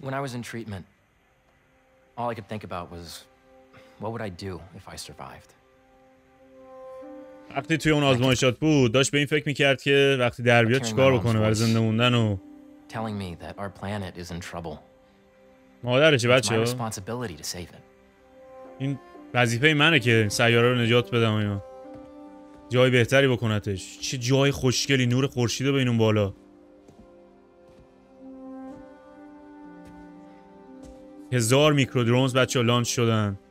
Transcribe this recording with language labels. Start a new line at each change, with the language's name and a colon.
English: when I was in treatment all I could think about was what would I do if I survived
Persian: وقتی توی اون آزمایشات بود داشت به این فکر میکرد که وقتی در بیاد چی کار بکنه برای زنده موندن و
English: telling me that our planet is in trouble.
Persian: مادرش بچه‌ها.
English: My responsibility to save it.
Persian: این وظیفه منه که سیاره رو نجات بدم اینو. جای بهتری بکنتش. چه جای خوشگلی نور خورشید به اینون بالا. هزار میکرو درونز بچه ها لانچ شدن.